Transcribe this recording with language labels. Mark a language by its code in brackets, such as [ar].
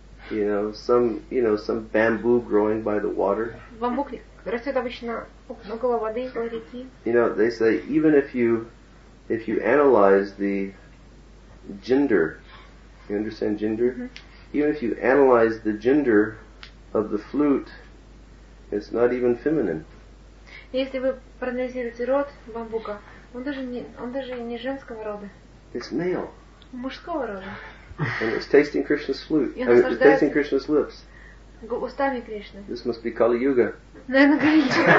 [en] You know, some bamboo growing by the water. [ru] Бамбук растет обычно около воды, около реки. [en] You know, they say even if you analyze the gender, you understand gender? Mm-hmm. Even if you analyze the gender of the flute, it's not even feminine. [ru] Если вы проанализируете род бамбука, он даже не женского рода. [en] It's male. [ru] Мужского рода. [en] And it's tasting Krishna's flute. I mean, it's tasting Krishna's lips. [ru] Устами Кришны. [en] This must be Kali Yuga. [ru] Наверное, Kali Yuga.